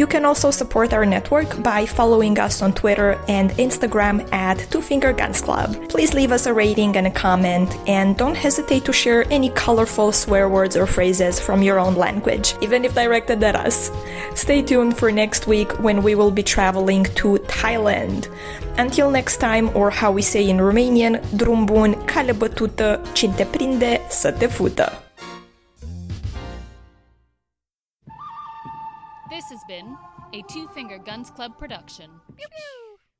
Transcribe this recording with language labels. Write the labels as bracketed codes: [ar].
[en] You can also support our network by following us on Twitter and Instagram at Two Finger Guns Club. Please leave us a rating and a comment, and don't hesitate to share any colorful swear words or phrases from your own language, even if directed at us. Stay tuned for next week when we will be traveling to Thailand. Until next time, or how we say in Romanian, [ro] drum bun, cale bătută, cine te prinde să te fută. [en] This has been a Two Finger Guns Club production. Pew, pew.